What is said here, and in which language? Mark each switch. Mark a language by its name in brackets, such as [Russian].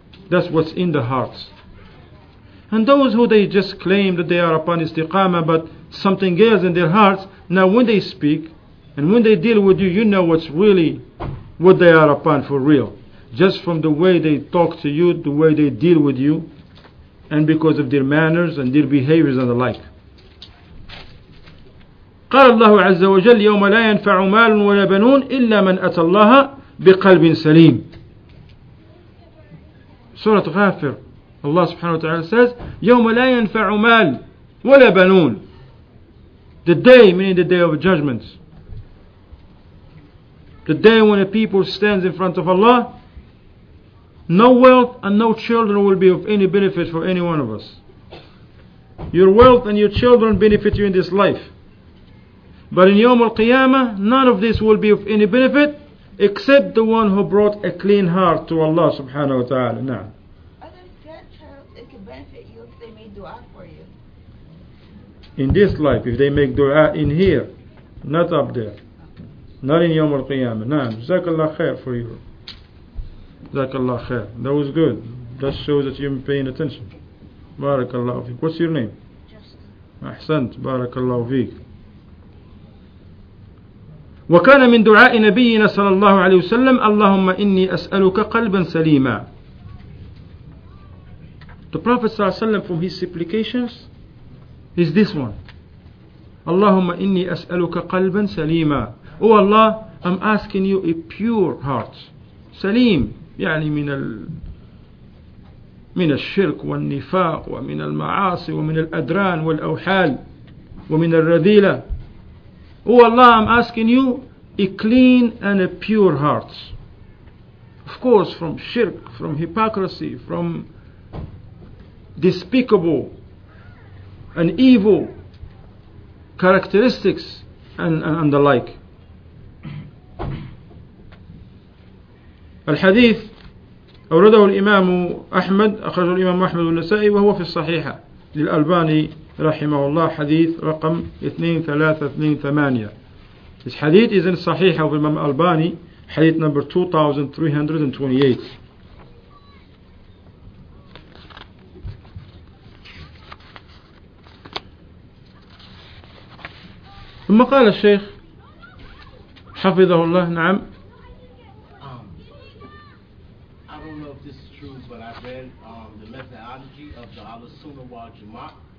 [English] That's what's in the hearts. And those who they just claim that they are upon istiqama, but something else in their hearts, now when they speak, and when they deal with you, you know what's really, what they are upon for real. Just from the way they talk to you, the way they deal with you, and because of their manners and their behaviors and the like. [Arabic] قال الله عز وجل يوم لا ينفع مال ولا بنون إلا من أتى الله بقلب سليم. سورة غافر. الله سبحانه وتعالى [English] says [Arabic] يوم لا ينفع مال ولا بنون. [English] The day, meaning the day of judgment. The day when a people stands in front of Allah, no wealth and no children will be of any benefit for any one of us. Your wealth and your children benefit you in this life. But in Yawm al-Qiyamah, none of this will be of any benefit except the one who brought a clean heart to Allah subhanahu wa ta'ala. Now, other grandchild, it could benefit you if they made dua for you. In this life, if they make dua in here, not up there. Not in Yawm al-Qiyamah. Naam. Jazakallah khair for you. Jazakallah khair. That was good. That shows that you're paying attention. Barakallah fiq. What's your name? Justin. Ahsant. Barakallah fiq. [Arabic] وكان من دعاء نبينا صلى الله عليه وسلم اللهم إني أسألك قلبا سليما. [English] The Prophet [Arabic] صلى الله عليه وسلم, [English] from his supplications is this one. [Arabic] اللهم إني أسألك قلبا سليما. [English] Oh Allah, I'm asking you a pure heart. [Arabic] سليم يعني من الشرك والنفاق ومن المعاصي ومن الأدران والأوحال ومن الرذيلة. [English] Oh Allah, I'm asking you a clean and a pure heart. Of course, from shirk, from hypocrisy, from despicable and evil characteristics and the like. [Arabic] Al-Hadith, أورده الإمام أحمد, أخرج الإمام أحمد النسائي وهو في الصحيحة للألباني رحمه الله, حديث رقم 2328. [English] This hadith is in Sahih of Imam Albani, hadith number 2328. [Arabic] ثم قال الشيخ حفظه الله, نعم. [English] I don't know if this is true, but I read the methodology of the Al-Sunnah wal Jama'ah.